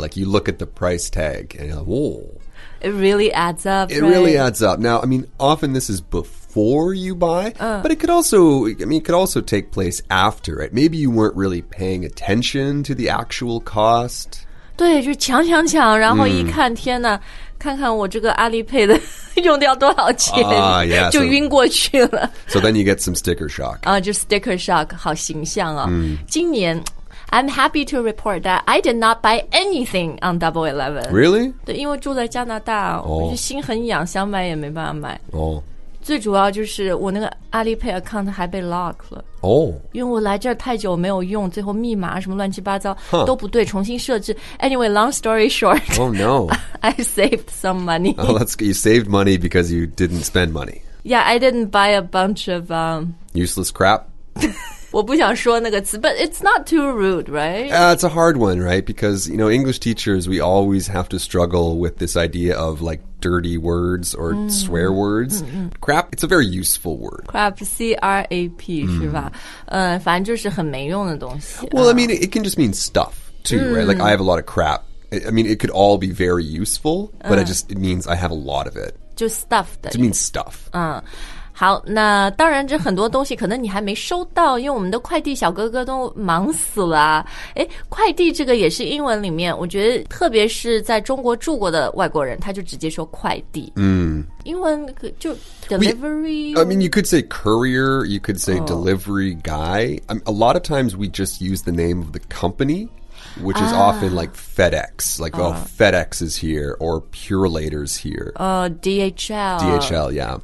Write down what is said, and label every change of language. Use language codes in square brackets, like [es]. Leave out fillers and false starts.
[en] Like you look at the price tag and you're like, whoa. It really adds up, It really adds up. Now, I mean, often this is before you buy, but it could also, it could also take place after, right? Maybe you weren't really paying attention to the actual cost. [zh] 对，就抢抢抢，然后一看，天哪，看看我这个阿里配的用掉多少钱，就晕过去了。 [en] So then you get some sticker shock. [zh] 就 sticker shock, 好形象哦。今年 [en] I'm happy to report that I did not buy anything on Double Eleven. Really? [zh] 对，因为住在加拿大，我就心很痒，想买也没办法买。最主要就是我那个 Alipay account 还被 lock 了。因为我来这儿太久没有用，最后密码什么乱七八糟都不对，重新设置。 [en] Anyway, long story short. Oh no. I saved some money. Oh, that's good. You saved money because you didn't spend money. Yeah, I didn't buy a bunch of useless crap. [zh] 我不想说那个词 [en] but it's not too rude, right? It's a hard one, right? Because, you know, English teachers, we always have to struggle with this idea of, like, dirty words or swear words. Crap, it's a very useful word. Crap, C-R-A-P, [zh] 是吧? 反正就是很没用的东西。 [en] Well, I mean, it can just mean stuff, too, right? Like, I have a lot of crap. I mean, it could all be very useful, but it means I have a lot of it. [zh] 就 stuff 的。 [en] It means stuff. [zh] 好，那当然这很多东西可能你还没收到，因为我们的快递小哥哥都忙死了。诶，快递这个也是英文里面，我觉得特别是在中国住过的外国人，他就直接说快递。英文就 delivery? [en] I mean, you could say courier, you could say delivery guy. A lot of times we just use the name of the company. Which is often like FedEx, like, FedEx is here, or Purelator's here. DHL. DHL, yeah.